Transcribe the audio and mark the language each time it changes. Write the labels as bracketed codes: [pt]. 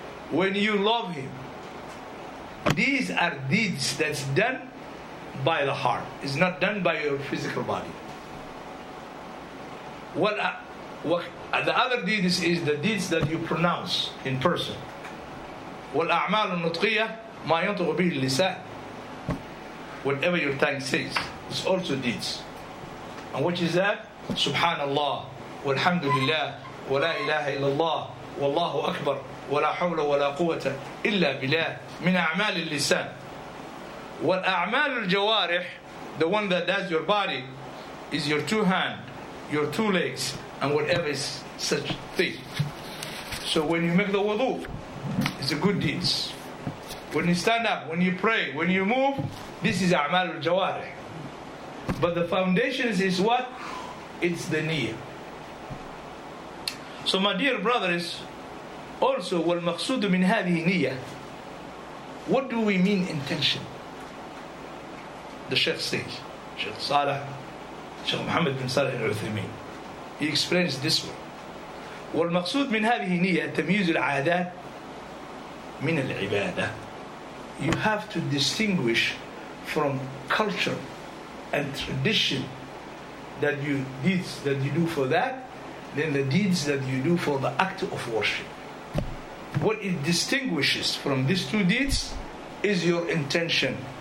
[en] When you love Him. These are deeds that's done by the heart. It's not done by your physical body. What the other deed is the deeds that you pronounce in person. [ar] والأعمال النطقية ما ينطق به اللسان. [en] Whatever your tongue says, it's also deeds. And which is that? [ar] سبحان الله والحمد لله ولا إله إلا الله والله أكبر ولا حول ولا قوة إلا بالله من أعمال اللسان. والأعمال الجوارح, [en] the one that does your body, is your two hands, your two legs, and whatever is such thing. So when you make the wudu, it's a good deeds. When you stand up, when you pray, when you move, this is a'mal al-jawarih. But the foundation is what? It's the niyyah. So my dear brothers, also [ar] والمقصود من هذه نية. [en] What do we mean intention? The Sheikh says, Sheikh Salah, Sheikh Muhammad bin Salah al-Uthaymeen, he explains this way. [ar] والمقصود من هذه نية تمييز العادات من العبادة. [en] You have to distinguish from culture and tradition that you deeds that you do for that, then the deeds that you do for the act of worship. What it distinguishes from these two deeds is your intention.